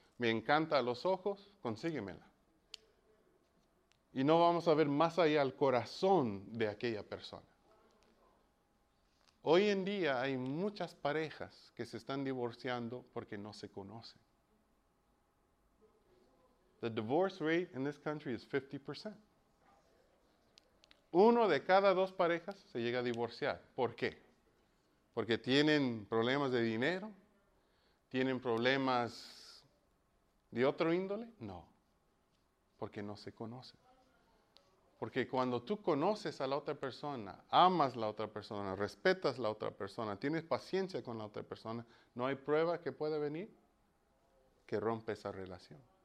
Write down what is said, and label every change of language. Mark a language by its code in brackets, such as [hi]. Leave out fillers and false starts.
[es] Me encanta a los ojos, consíguemela. Y no vamos a ver más allá al corazón de aquella persona. Hoy en día hay muchas parejas que se están divorciando porque no se conocen. [en] The divorce rate in this country is 50%. [es] Uno de cada dos parejas se llega a divorciar. ¿Por qué? Porque tienen problemas de dinero, tienen problemas de otro índole. No, porque no se conocen. Porque cuando tú conoces a la otra persona, amas a la otra persona, respetas a la otra persona, tienes paciencia con la otra persona, no hay prueba que pueda venir que rompe esa relación.